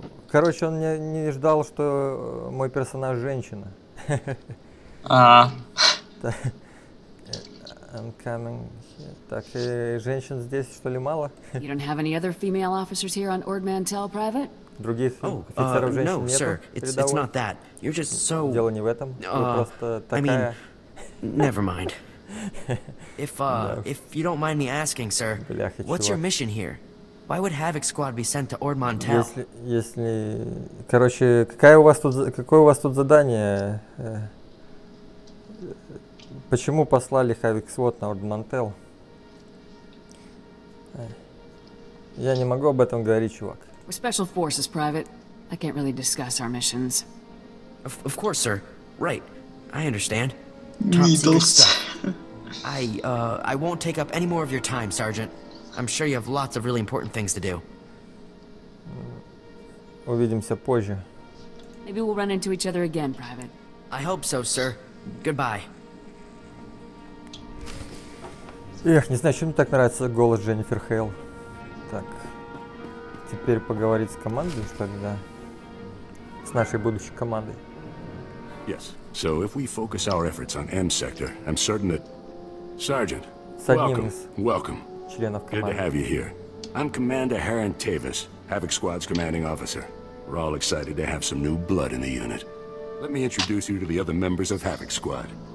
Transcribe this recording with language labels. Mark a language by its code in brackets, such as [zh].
[ru] Короче, он не ждал, что мой персонаж женщина. [en] I'm coming. [ru] Так, женщин здесь, что ли, мало? [en] You don't have any other female officers here on Ord Mantell, private? [ru] Других офицеров женщин нету. [en] Sir, it's not that. You're just so... [ru] Дело не в этом. Просто такая. [en] I mean, never mind. If you don't mind me asking, sir, what's your mission here? Why would Havoc Squad be sent to Ord Mantell? [ru] Если, короче, какое у вас тут задание? Почему послали Havoc Squad на Ord Mantell? Я не могу об этом говорить, чувак. [en] We're special forces, private. I can't really discuss our missions. Of course, sir. Right. I understand. Needles. I won't take up any more of your time, Sergeant. I'm sure you have lots of really important things to do. [ru] Увидимся позже. [en] Maybe we'll run into each other again, private. I hope so, sir. Goodbye. [ru] Эх, не знаю, что мне так нравится голос Дженнифер Хейл. Так. Теперь поговорить с командой, что ли, да? С нашей будущей командой. [en] Yes. So if we focus our efforts on M sector, I'm certain that Sergeant. Welcome. [ru] Членов команды. [en] Good to have you here. I'm Commander Harren Tavis, Havoc Squad's commanding officer. We're all excited to have some new blood in the unit. Let me introduce you to the other members of Havoc Squad.